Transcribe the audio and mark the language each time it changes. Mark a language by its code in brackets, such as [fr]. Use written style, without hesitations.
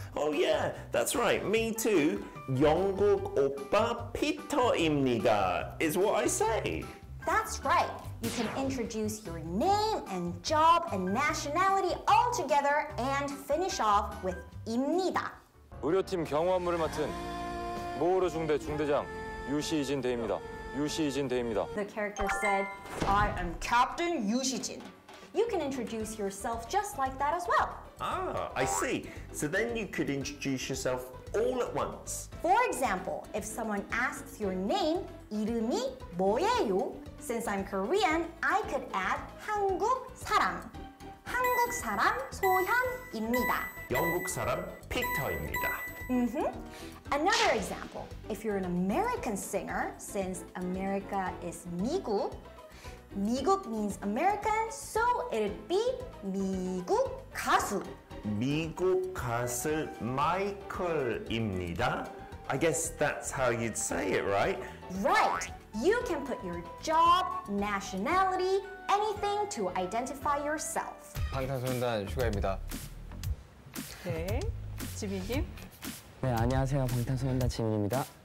[en] Oh yeah, that's right, me too. [ko] 영국 오빠 피터입니다 [en] is what I say. That's right. You can introduce your name and job and nationality all together and finish off with 입니다. [ko] 의료팀 경호 안무를 맡은 모호로 중대 중대장 유시진 대입니다. 유시진 대입니다. [en] The character said, I am Captain 유시진. You can introduce yourself just like that as well. Ah, I see. So then you could introduce yourself all at once. For example, if someone asks your name, [ko] 이름이 뭐예요? [en] Since I'm Korean, I could add [ko] 한국 사람. 한국 사람 소현입니다. 영국 사람 피터입니다. [en] Mm-hmm. Another example, if you're an American singer, since America is 미국, 미국 means American, so it'd be [ko] 미국 가수. 미국 가수 마이클입니다. [en] I guess that's how you'd say it, right? Right. You can put your job, nationality, anything to identify yourself. [ko] 방탄소년단 슈가입니다. 네, 지민님. 네, 안녕하세요. 방탄소년단 지민입니다.